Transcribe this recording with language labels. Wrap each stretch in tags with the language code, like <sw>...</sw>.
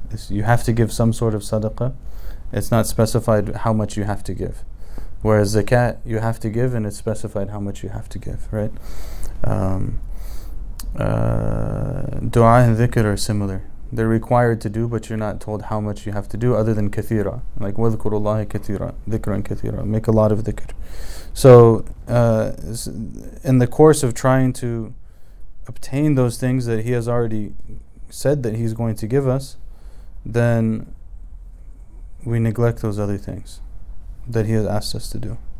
<en>You have to give some sort of sadaqah. It's not specified how much you have to give. Whereas zakat, you have to give, and it's specified how much you have to give, right? Dua and dhikr are similar. They're required to do, but you're not told how much you have to do, other than kathira. Like,</en> <ar>وَذْكُرُ اللَّهِ كَثِيرًا ذِكْرًا كَثِيرًا.</ar> <en>Make a lot of dhikr. So, in the course of trying to obtain those things that he has already said that he's going to give us, then we neglect those other things that he has asked us to do.</en>